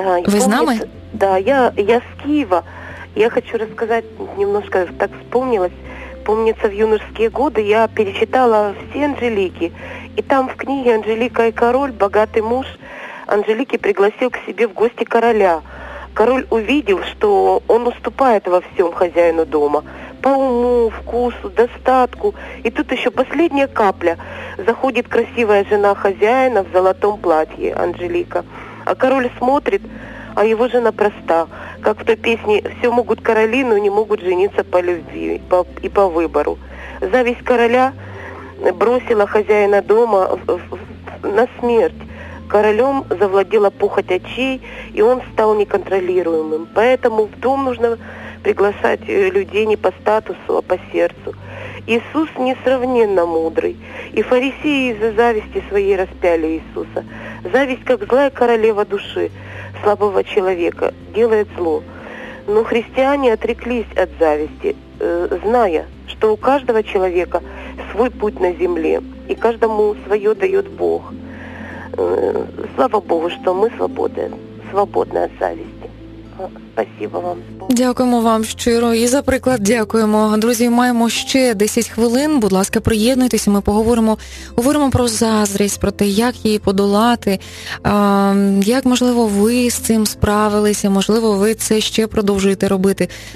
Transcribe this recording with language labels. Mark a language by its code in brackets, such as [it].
[uk] ви помню, з нами? Да, я з Києва. Я хочу розказати, немножко так вспомнилось. [ru] Помнится, в юношські годы я перечитала всі Анжеліки. І там в книге «Анжеліка і король», богатий муж Анжеліки пригласив к себе в гості короля. Король увидел, что он уступает во всем хозяину дома. По уму, вкусу, достатку. И тут еще последняя капля. Заходит красивая жена хозяина в золотом платье, Анжелика. А король смотрит, а его жена проста. Как в той песне «Все могут короли, но не могут жениться по любви и по выбору». Зависть короля бросила хозяина дома на смерть. Королем завладела похоть очей, и он стал неконтролируемым. Поэтому в дом нужно приглашать людей не по статусу, а по сердцу. Иисус несравненно мудрый, и фарисеи из-за зависти своей распяли Иисуса. Зависть, как злая королева души слабого человека, делает зло. Но христиане отреклись от зависти, зная, что у каждого человека свой путь на земле, и каждому свое дает Бог. [uk] Слава Богу, що ми свободні від зависті. Дякую вам. Дякуємо вам щиро і за приклад дякуємо. Друзі, маємо ще 10 хвилин, будь ласка, приєднуйтеся, ми говоримо про заздрість, про те, як її подолати, як, можливо, ви з цим справилися, можливо, ви це ще продовжуєте робити.